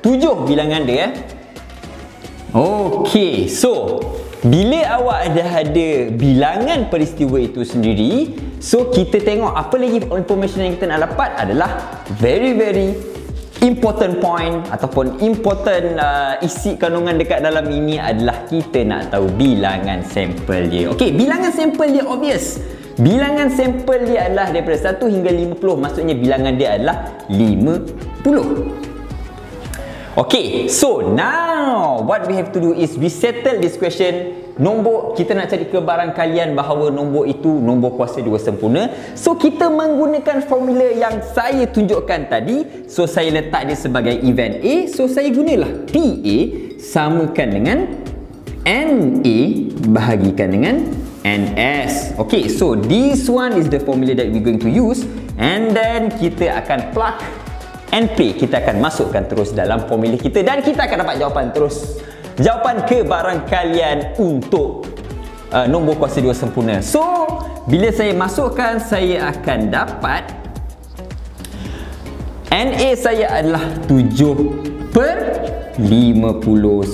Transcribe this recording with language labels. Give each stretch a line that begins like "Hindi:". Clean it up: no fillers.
Malay: 7 bilangan dia. Okey, so bila awak dah ada bilangan peristiwa itu sendiri, so kita tengok apa lagi information yang kita nak dapat adalah
English: very very important point
Malay: ataupun important isi kandungan dekat dalam ini adalah kita nak tahu bilangan sampel dia. Okey, bilangan sampel dia obvious. Bilangan sampel dia adalah daripada 1 hingga 50. Maksudnya bilangan dia adalah 50.
English: Okey, so now what we have to do is we settle this question.
Malay: Nombor, kita nak cari kebarangkalian bahawa nombor itu nombor kuasa 2 sempurna. So, kita menggunakan formula yang saya tunjukkan tadi. So, saya letak dia sebagai event A. So, saya gunalah PA samakan dengan NA bahagikan dengan NS.
English: Okay, so this one is the formula that we're going to use. And then,
Malay: kita akan plug NP. Kita akan masukkan terus dalam formula kita dan kita akan dapat jawapan terus. Jawapan kebarangkalian untuk nombor kuasa 2 sempurna. So, bila saya masukkan, saya akan dapat NA saya adalah 7/50.